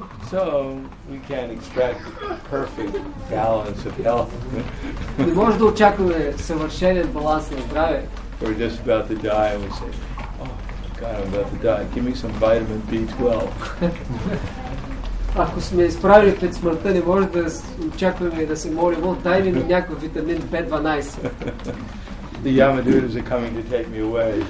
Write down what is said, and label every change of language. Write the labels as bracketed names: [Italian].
[English] So we can't expect perfect balance of health. [Bulgarian] Не може да очакваме съвършен баланс на здраве. [English] We're just about to die and we say, oh, God, I'm about to die. Give me some vitamin B12. [Bulgarian] Ако сме изправили пред смъртта, не може да очакваме да се молим, дай ми някакъв витамин B12. [English] Yamadutas are coming to take me away.